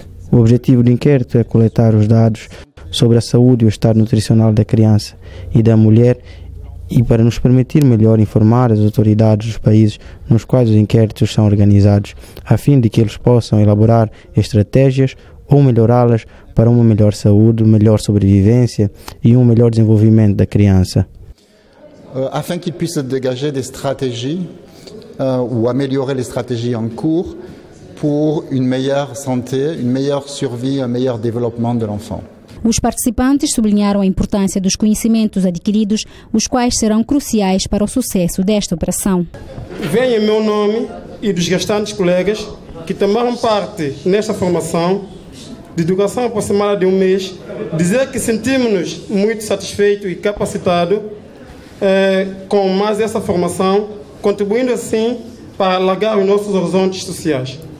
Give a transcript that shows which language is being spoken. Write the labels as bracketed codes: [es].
[pt] O objetivo do inquérito é coletar os dados sobre a saúde e o estado nutricional da criança e da mulher e para nos permitir melhor informar as autoridades dos países nos quais os inquéritos são organizados, a fim de que eles possam elaborar estratégias ou melhorá-las para uma melhor saúde, melhor sobrevivência e um melhor desenvolvimento da criança. [fr] afin qu'ils puissent dégager des stratégies ou améliorer les stratégies en cours pour une meilleure santé, une meilleure survie, un meilleur développement de l'enfant. [pt] Os participantes sublinharam a importância dos conhecimentos adquiridos, os quais serão cruciais para o sucesso desta operação. Venho em meu nome e dos restantes colegas que tomaram parte nesta formação de educação aproximada de um mês, dizer que sentimos-nos muito satisfeitos e capacitados com mais essa formação, contribuindo assim para alargar os nossos horizontes sociais.